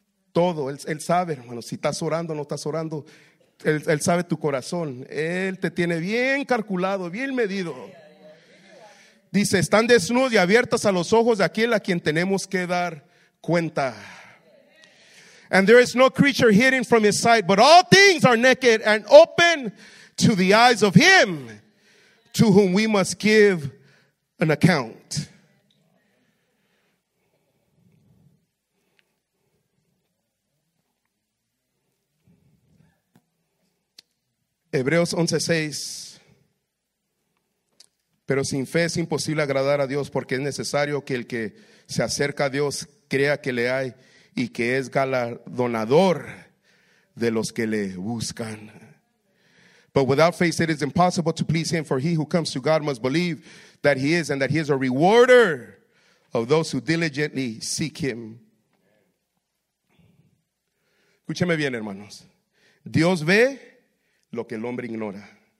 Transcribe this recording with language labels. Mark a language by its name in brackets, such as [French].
[Spanish] Todo, Él sabe, hermano, si estás orando o no estás orando, Él sabe tu corazón, Él te tiene bien calculado, bien medido. Dice, están desnudos y abiertas a los ojos de aquel a quien tenemos que dar cuenta. [English] And there is no creature hidden from his sight, but all things are naked and open to the eyes of him to whom we must give an account. [Spanish] Hebreos 11:6. Pero sin fe es imposible agradar a Dios, porque es necesario que el que se acerca a Dios crea que le hay y que es galardonador de los que le buscan. [English] But without faith it is impossible to please him, for he who comes to God must believe that he is, and that he is a rewarder of those who diligently seek him. [Spanish] Escúcheme bien, hermanos. Dios ve lo que el hombre ignora.